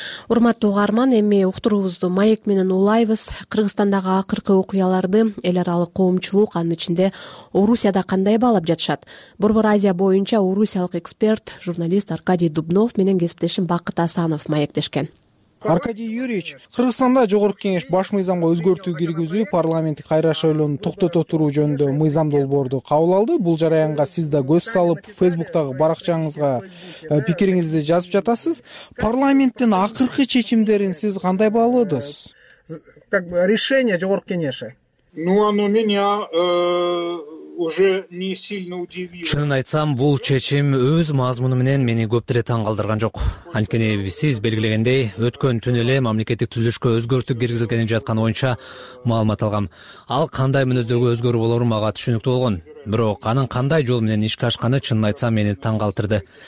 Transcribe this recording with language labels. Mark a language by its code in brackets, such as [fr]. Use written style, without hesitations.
[ky] Урматтуу каарман, эми уктуруубузду маек менен улайбыз. Кыргызстандагы акыркы окуяларды эл аралык коомчулук, анын ичинде Орусияда кандай баалап жатышат? Борбор Азия боюнча орусиялык эксперт, журналист Аркадий Дубнов менен кесиптешим Бакыт Асанов маектешкен. Аркадий Юрьевич, Кыргызстанда Жогорку Кеңеш баш мыйзамга өзгөртүү киргизүү, парламенттик кайра шайлоону токтото туруу жөнүндө мыйзам долбоорду кабыл алды. Бул жараянга сиз да көз салып, Facebook'тагы баракчаңызга пикириңизди жазып жатасыз. Парламенттин акыркы чечимдерин сиз кандай баалоодосуз? [ru] Как бы решение Жогорку Кеңеши. Ну, оно меня уже не сильно удивило. [ky] Чынын айтсам, бул чечим өз мазмуну менен мени көп деле таң калдырган жок. Анткени сиз белгилегендей, өткөн түн эле мамлекеттик түзүлүшкө өзгөртүү киргизилгени жатканы боюнча маалымат алгам. Ал кандай мүнөздөгү өзгөрүү болору мага түшүнүктүү болгон. Бирок анын кандай жол менен ишке ашканы чынын айтсам мени таң калтырды.